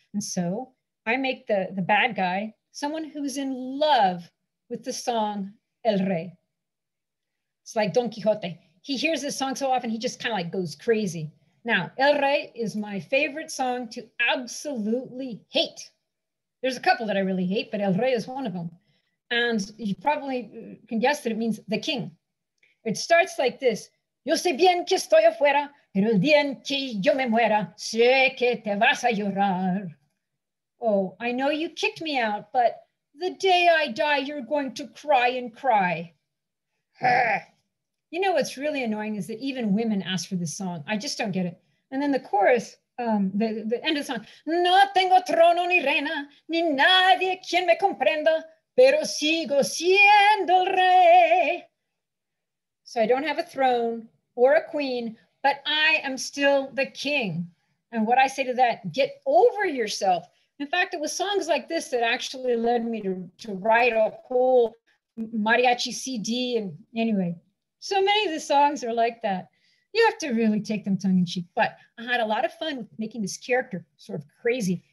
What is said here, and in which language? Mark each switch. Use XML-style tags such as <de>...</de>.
<en>And so I make the bad guy someone who's in love with the song El Rey. It's like Don Quixote. He hears this song so often, he just kind of like goes crazy. Now, El Rey is my favorite song to absolutely hate. There's a couple that I really hate, but El Rey is one of them. And you probably can guess that it means the king. It starts like this.</en> <es>Yo sé bien que estoy afuera, pero el día en que yo me muera, sé que te vas a llorar.</es> <en>Oh, I know you kicked me out, but the day I die, you're going to cry and cry. You know, what's really annoying is that even women ask for this song. I just don't get it. And then the chorus, the end of the song.</en> <es>No tengo trono ni reina, ni nadie quien me comprenda, pero sigo siendo el rey.</es> <en>So I don't have a throne or a queen, but I am still the king. And what I say to that, get over yourself. In fact, it was songs like this that actually led me to write a whole mariachi CD. And anyway, so many of the songs are like that. You have to really take them tongue in cheek, but I had a lot of fun making this character sort of crazy.</en>